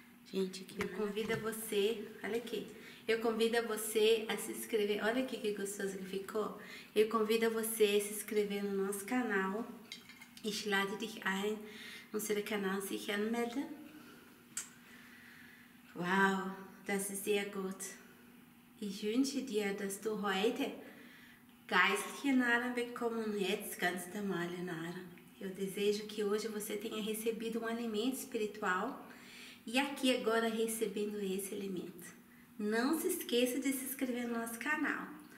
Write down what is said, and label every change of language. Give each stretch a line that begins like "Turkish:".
Portuguese: Gente, aqui eu convido você, olha aqui. Eu convido você a se inscrever. Olha aqui que gostoso que ficou. Eu convido você a se inscrever no nosso canal.
German: Ich lade dich ein, unseren Kanal sich anmelden. Wow, das ist sehr gut. Ich wünsche dir, dass du heute geistliche Nahrung bekommst und jetzt ganz normale Nahrung.
Portuguese: Eu desejo que hoje você tenha recebido alimento espiritual e aqui agora recebendo esse alimento. Não se esqueça de se inscrever no nosso canal.